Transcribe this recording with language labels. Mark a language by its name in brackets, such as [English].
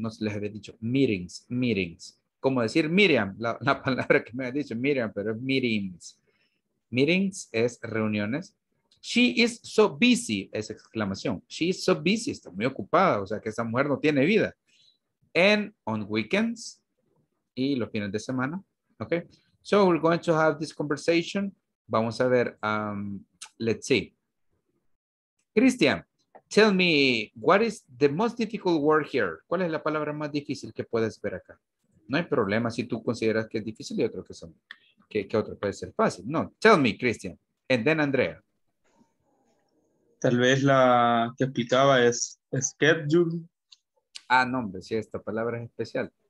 [Spanish] No se les había dicho meetings, meetings. Como decir Miriam, la palabra que me había dicho Miriam, pero es meetings. Meetings es reuniones. [English] She is so busy, [Spanish] es exclamación. [English] She is so busy, [Spanish] está muy ocupada, o sea que esa mujer no tiene vida. [English] And on weekends [Spanish] y los fines de semana. [English] Ok, so we're going to have this conversation. [Spanish] Vamos a ver, [English] let's see. Christian, tell me, what is the most difficult word here? [Spanish] ¿Cuál es la palabra más difícil que puedes ver acá? No hay problema si tú consideras que es difícil y otro que son, que otro puede ser fácil. [English] No, tell me, Christian. And then Andrea. [Spanish] Tal vez la que explicaba es schedule. Ah, no, hombre, sí, esta palabra es especial.